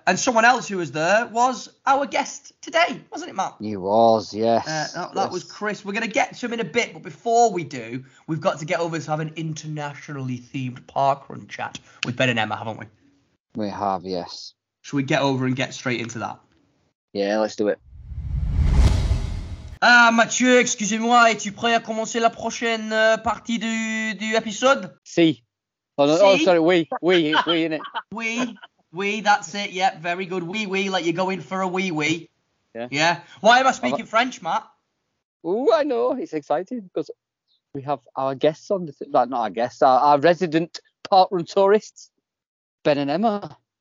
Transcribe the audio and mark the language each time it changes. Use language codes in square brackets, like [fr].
[en] And someone else who was there was our guest today, wasn't it, Matt? He was, yes. That was Chris. We're going to get to him in a bit, but before we do, we've got to get over to have an internationally themed parkrun chat with Ben and Emma, haven't we? We have, yes. Shall we get over and get straight into that? Yeah, let's do it. [fr] Ah, Mathieu, excusez-moi, es-tu prêt à commencer la prochaine partie du épisode? [en] Si. Oh, no, oh, sorry, we, innit? We, that's it, yeah, very good. We, like you're going for a wee. Yeah. Why am I speaking French, Matt? Oh, I know, it's exciting because we have our guests on, not our guests, our resident parkrun tourists, Ben and Emma.